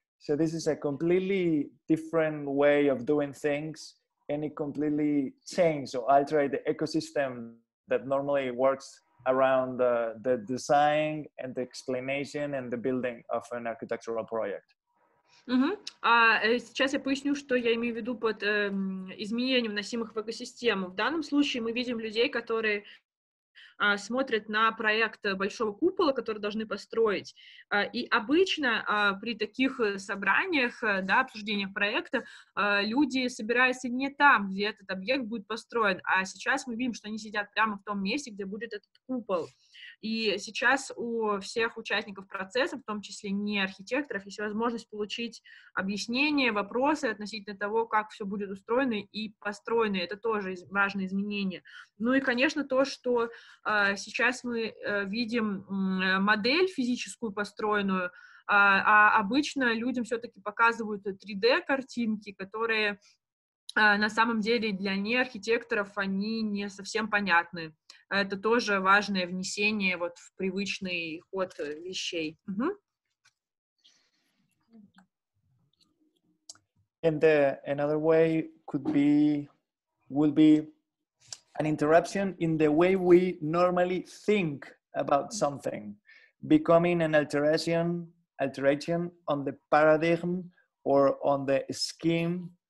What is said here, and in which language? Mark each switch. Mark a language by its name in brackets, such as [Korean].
[English] So this is a completely different way of doing things, and it completely changed or altered the ecosystem that normally works around the design and the explanation and the building of an architectural project. [Russian] Сейчас я поясню, что я имею в виду под изменением, вносимых в экосистему. В данном случае мы видим людей, которые смотрят на проект большого купола, который должны построить. И обычно при таких собраниях, да, обсуждениях проекта, люди собираются не там, где этот объект будет построен, а сейчас мы видим, что они сидят прямо в том месте, где будет этот купол. И сейчас у всех участников процесса, в том числе не архитекторов, есть возможность получить объяснение, вопросы относительно того, как все будет устроено и построено. Это тоже важное изменение. Ну и, конечно, то, что сейчас мы видим модель физическую построенную, а обычно людям все-таки показывают 3D-картинки, которые на самом деле для неархитекторов они не совсем понятны. Это тоже важное внесение вот в привычный ход вещей. [English] And the another way could be, will be an interruption in the way we normally think about something, becoming an alteration on the paradigm or on the scheme.